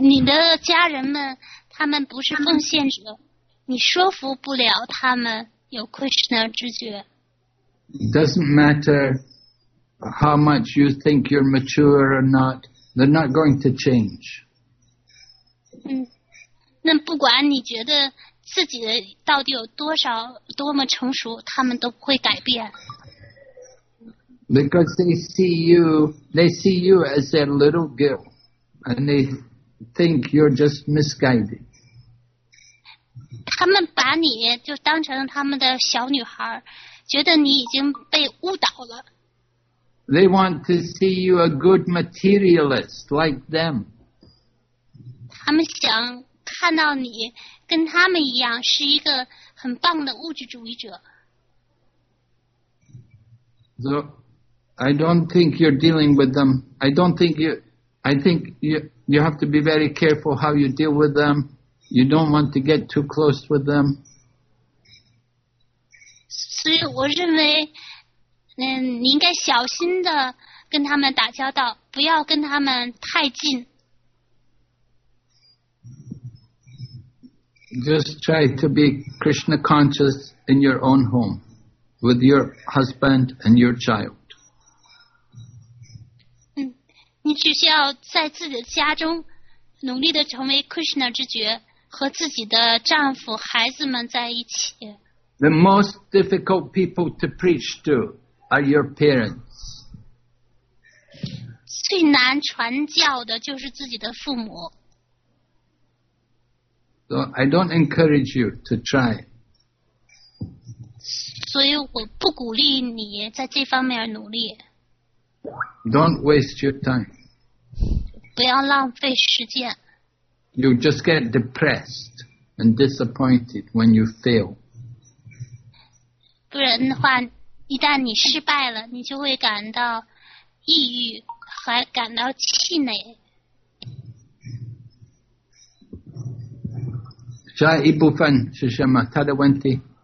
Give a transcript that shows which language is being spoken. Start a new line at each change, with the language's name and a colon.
Chinese: 你的家人们，他们不是奉献者，你说服不了他们有 Krishna 知觉。
English: Doesn't matter how much you think you're mature or not, they're not going to change.
Chinese: 那不管你觉得自己到底有多少多么成熟，他们都不会改变。
English: Because they see you as their little girl, and they think you're just misguided.
Chinese: 他们把你就当成他们的小女孩，觉得你已经被误导了。
English: They want to see you a good materialist like them.
Chinese: 他们想看到你跟他们一样是一个很棒的物质主义者。
English: So, I don't think you're dealing with them. I think you have to be very careful how you deal with them. You don't want to get too close with them.
Chinese: 所以我认为，你应该小心的跟他们打交道，不要跟他们太近。
English: Just try to be Krishna conscious in your own home, with your husband and your child.
Chinese: 你只需要在自己的家中努力地成为 Krishna 知觉，和自己的丈夫、孩子们在一起。
English: The most difficult people to preach to are your parents.
Chinese: 最难传教的就是自己的父母。
English: So I don't encourage you to try.
Chinese: 所以我不鼓励你在这方面努力。
English: Don't waste your time.
Chinese: 不要浪费时间。
English: You just get depressed and disappointed when you fail.
Chinese: 不然的话，一旦你失败了，你就会感到抑郁，还感到气馁。下一部分是什么？他的问题。